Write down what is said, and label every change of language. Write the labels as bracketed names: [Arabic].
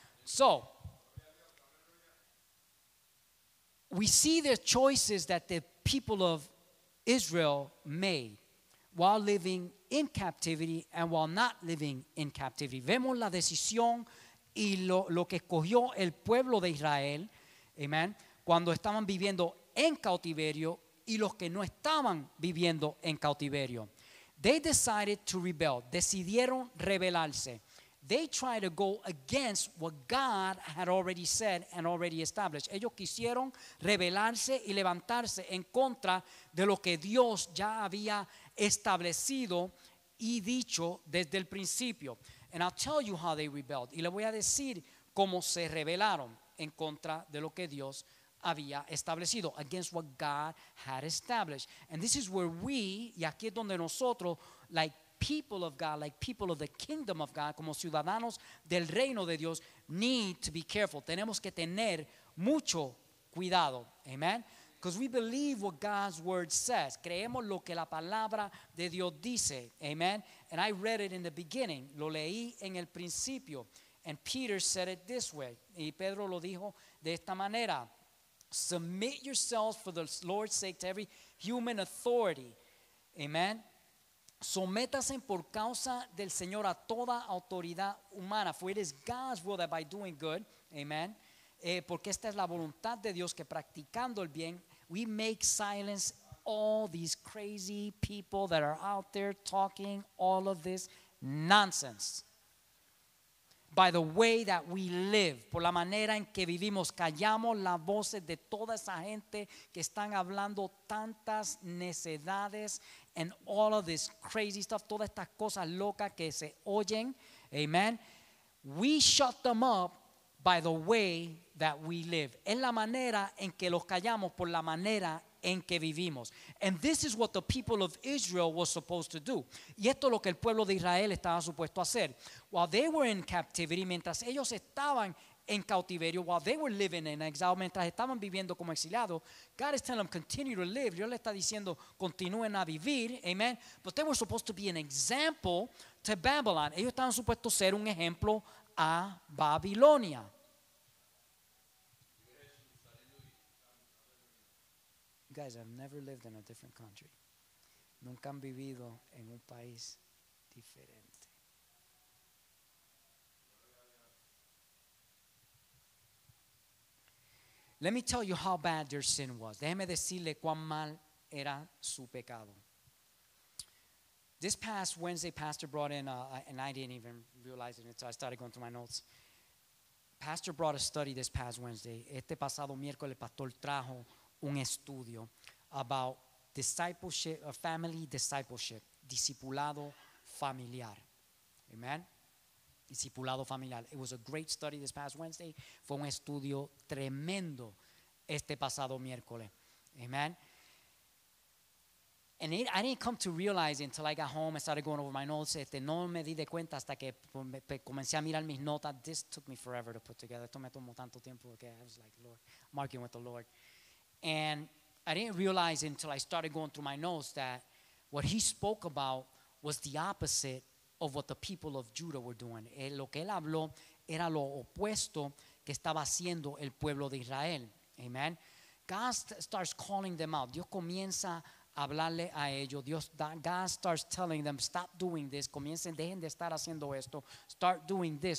[English] So, we see the choices that the people of Israel made while living in captivity and while not living in captivity. [Spanish] Vemos la decisión y lo que escogió el pueblo de Israel, amen, cuando estaban viviendo en cautiverio y los que no estaban viviendo en cautiverio. [English] They decided to rebel. [Spanish] Decidieron rebelarse. [English] They tried to go against what God had already said and already established. [Spanish] Ellos quisieron rebelarse y levantarse en contra de lo que Dios ya había establecido y dicho desde el principio. [English] And I'll tell you how they rebelled. [Spanish] Y le voy a decir cómo se rebelaron en contra de lo que Dios había establecido, [English] against what God had established. And this is where we, [Spanish] y aquí es donde nosotros, [English] like people of God, like people of the kingdom of God, [Spanish] como ciudadanos del reino de Dios, [English] need to be careful. [Spanish] Tenemos que tener mucho cuidado. Amen. [English] Because we believe what God's word says. [Spanish] Creemos lo que la palabra de Dios dice. [English] Amen. And I read it in the beginning. [Spanish] Lo leí en el principio. [English] And Peter said it this way. [Spanish] Y Pedro lo dijo de esta manera. [English] Submit yourselves for the Lord's sake to every human authority. Amen. [Spanish] Sométase por causa del Señor a toda autoridad humana. [English] For it is God's will that by doing good, amen, [Spanish] porque esta es la voluntad de Dios que practicando el bien, [English] we make silence all these crazy people that are out there talking all of this nonsense. By the way that we live, [Spanish] por la manera en que vivimos, callamos las voces de toda esa gente que están hablando tantas necedades [English] and all of this crazy stuff, [Spanish] todas estas cosas locas que se oyen. Amen. [English] We shut them up by the way that we live. [Spanish] Es la manera en que los callamos por la manera en que vivimos. [English] And this is what the people of Israel was supposed to do. [Spanish] Y esto es lo que el pueblo de Israel estaba supuesto a hacer. [English] While they were in captivity, [Spanish] mientras ellos estaban en cautiverio, [English] while they were living in exile, [Spanish] mientras estaban viviendo como exiliados, [English] God is telling them, continue to live. [Spanish] Dios le está diciendo, continúen a vivir. Amen. [English] But they were supposed to be an example to Babylon. [Spanish] Ellos estaban supuestos a ser un ejemplo a Babilonia. [English] You guys have never lived in a different country. [Spanish] Nunca han vivido en un país diferente. [English] Let me tell you how bad their sin was. [Spanish] Déjeme decirle cuán mal era su pecado. [English] This past Wednesday, Pastor brought in, and I didn't even realize it until I started going through my notes. Pastor brought a study this past Wednesday. [Spanish] Este pasado miércoles, Pastor trajo un estudio [English] about discipleship, family discipleship, [Spanish] discipulado familiar. Amen? Discipulado familiar. [English] It was a great study this past Wednesday. [Spanish] Fue un estudio tremendo este pasado miércoles. [English] Amen? And it, I didn't come to realize until I got home and started going over my notes. [Spanish] No me di de cuenta hasta que comencé a mirar mis notas. [English] This took me forever to put together. [Spanish] Esto me tomó tanto tiempo que [English] I was like, Lord, I'm arguing with the Lord. And I didn't realize until I started going through my notes that what he spoke about was the opposite of what the people of Judah were doing. [Spanish] Lo que él habló era lo opuesto que estaba haciendo el pueblo de Israel. [English] Amen. God starts calling them out. [Spanish] Dios comienza a hablarle a ellos. [English] God starts telling them, stop doing this. [Spanish] Comiencen, dejen de estar haciendo esto. [English] Start doing this.